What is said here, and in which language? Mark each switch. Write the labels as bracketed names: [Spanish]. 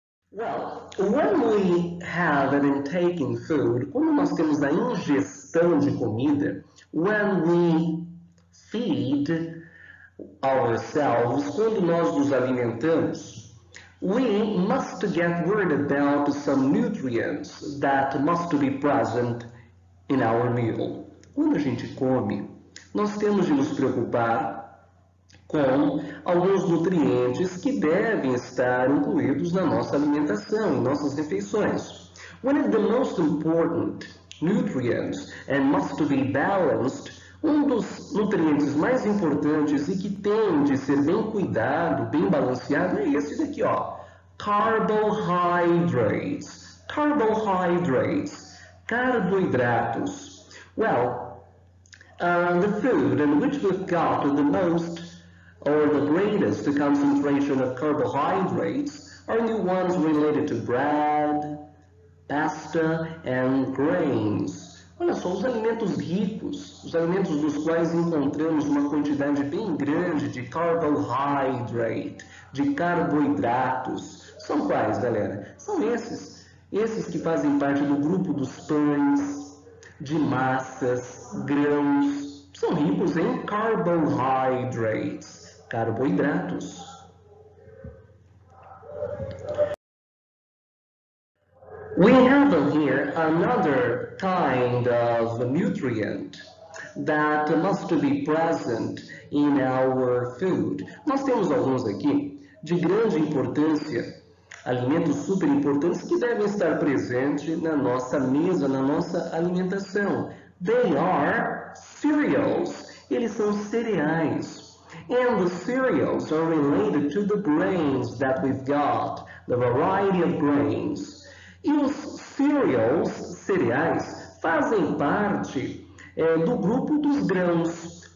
[English] Well, when we have an intake in food, [Portuguese] quando nós temos a ingestão de comida, [English] when we feed ourselves, [Portuguese] quando nós nos alimentamos, [English] we must get worried about some nutrients that must be present in our meal. [Portuguese] Quando a gente come, nós temos de nos preocupar com alguns nutrientes que devem estar incluídos na nossa alimentação, em nossas refeições. [English] One of the most important nutrients and must be balanced. [Portuguese] Um dos nutrientes mais importantes e que tem de ser bem cuidado, bem balanceado, é esse daqui, ó. [English] Carbohydrates. Carbohydrates. [Portuguese] Carboidratos. [English] Well, the food in which we've got the most or the greatest concentration of carbohydrates are the ones related to bread, pasta and grains. [Portuguese] Olha só, os alimentos ricos, os alimentos dos quais encontramos uma quantidade bem grande de carbohydrate, de carboidratos, são quais, galera? São esses. Esses que fazem parte do grupo dos pães, de massas, grãos. São ricos em carbohydrates, carboidratos. [English] We have here another kind of nutrient that must be present in our food. [Portuguese] Nós temos alguns aqui de grande importância, alimentos super importantes que devem estar presentes na nossa mesa, na nossa alimentação. [English] They are cereals. [Portuguese] Eles são cereais. [English] And the cereals are related to the grains that we've got, the variety of grains. [Portuguese] E os cereals, cereais, fazem parte do grupo dos grãos.